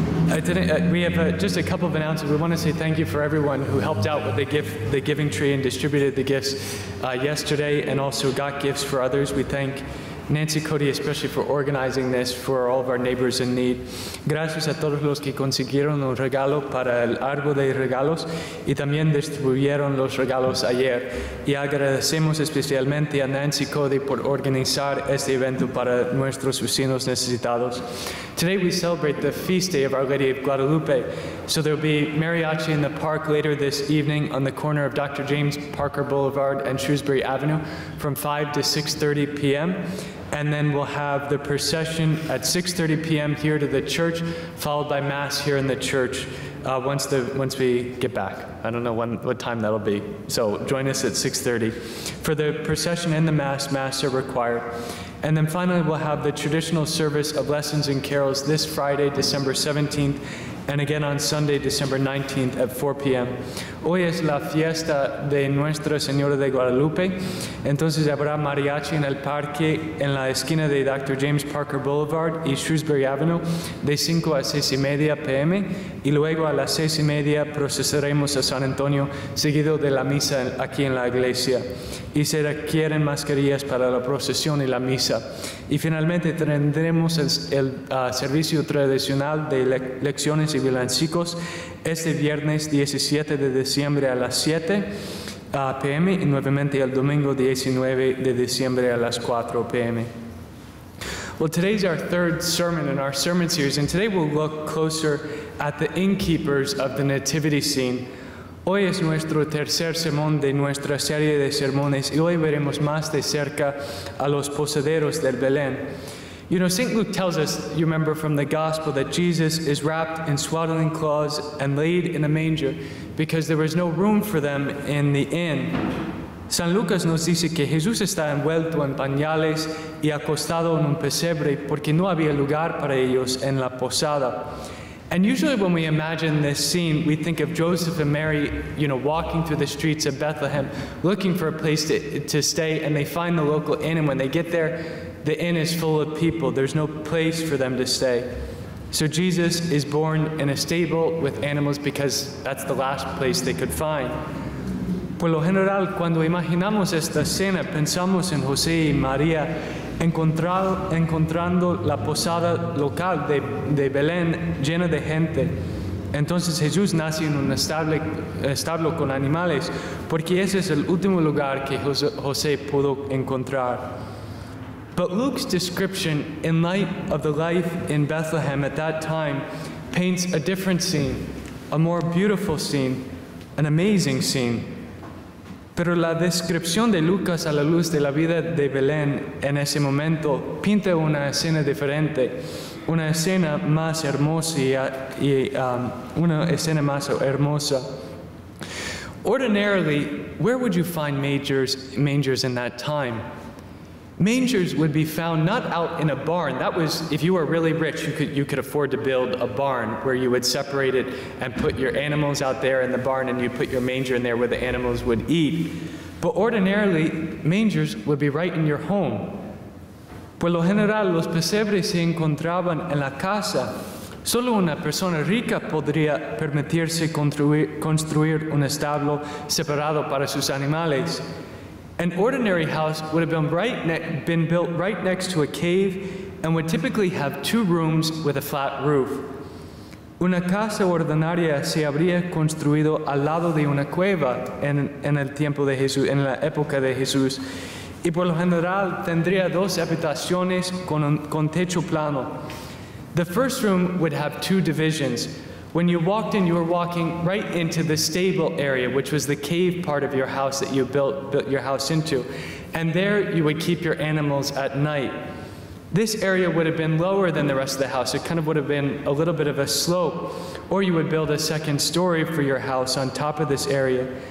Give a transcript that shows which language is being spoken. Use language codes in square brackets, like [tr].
[en] Just a couple of announcements. We want to say thank you for everyone who helped out with the Giving Tree and distributed the gifts yesterday and also got gifts for others. We thank Nancy Cody especially for organizing this for all of our neighbors in need. [es] Gracias a todos los que consiguieron un regalo para el árbol de regalos y también distribuyeron los regalos ayer. Y agradecemos especialmente a Nancy Cody por organizar este evento para nuestros vecinos necesitados. [en] Today we celebrate the feast day of Our Lady of Guadalupe. So there'll be mariachi in the park later this evening on the corner of Dr. James Parker Boulevard and Shrewsbury Avenue from 5 to 6:30 p.m. And then we'll have the procession at 6:30 p.m. here to the church, followed by mass here in the church once we get back. I don't know what time that'll be. So join us at 6:30. For the procession and the mass are required. And then finally, we'll have the traditional service of lessons and carols this Friday, December 17th, and again on Sunday, December 19th at 4 p.m. [es] Hoy es la fiesta de Nuestra Señora de Guadalupe. Entonces habrá mariachi en el parque en la esquina de Dr. James Parker Boulevard y Shrewsbury Avenue de 5 a 6 y media p.m. Y luego a las 6 y media procesaremos a San Antonio seguido de la misa aquí en la iglesia. Y se requieren mascarillas para la procesión y la misa. Y finalmente tendremos el servicio tradicional de lecciones y villancicos este viernes 17 de diciembre a las 7 p.m. y nuevamente el domingo 19 de diciembre a las 4 p.m. [en] Well, today's our third sermon in our sermon series, and today we'll look closer at the innkeepers of the nativity scene. [es] Hoy es nuestro tercer sermón de nuestra serie de sermones, y hoy veremos más de cerca a los posaderos del Belén. [en] You know, St. Luke tells us, you remember from the Gospel, that Jesus is wrapped in swaddling cloths and laid in a manger because there was no room for them in the inn. [es] San Lucas nos dice que Jesús está envuelto en pañales y acostado en un pesebre porque no había lugar para ellos en la posada. [en] And usually when we imagine this scene, we think of Joseph and Mary, you know, walking through the streets of Bethlehem, looking for a place to stay, and they find the local inn, and when they get there, the inn is full of people. There's no place for them to stay. So Jesus is born in a stable with animals because that's the last place they could find. [es] Por lo general, cuando imaginamos esta escena, pensamos en José y María, encontrando la posada local de Belén llena de gente. Entonces Jesús nace en un establo con animales, porque ese es el último lugar que José pudo encontrar. [en] But Luke's description, in light of the life in Bethlehem at that time, paints a different scene, a more beautiful scene, an amazing scene. [es] Pero la descripción de Lucas a la luz de la vida de Belén en ese momento pinta una escena diferente, una escena más hermosa una escena más hermosa. [en] Ordinarily, where would you find mangers in that time? Mangers would be found not out in a barn. That was, if you were really rich, you could afford to build a barn where you would separate it and put your animals out there in the barn and you'd put your manger in there where the animals would eat. But ordinarily, mangers would be right in your home. [es] Por lo general, los pesebres se encontraban en la casa. Solo una persona rica podría permitirse construir un establo separado para sus animales. [en] An ordinary house would have been built right next to a cave and would typically have two rooms with a flat roof. [es] Una casa ordinaria se habría construido al lado de una cueva en el tiempo de Jesús, en la época de Jesús. Y por lo general tendría dos habitaciones con techo plano. [en] The first room would have two divisions. When you walked in, you were walking right into the stable area, which was the cave part of your house that you built your house into. And there you would keep your animals at night. This area would have been lower than the rest of the house. It kind of would have been a little bit of a slope. Or you would build a second story for your house on top of this area.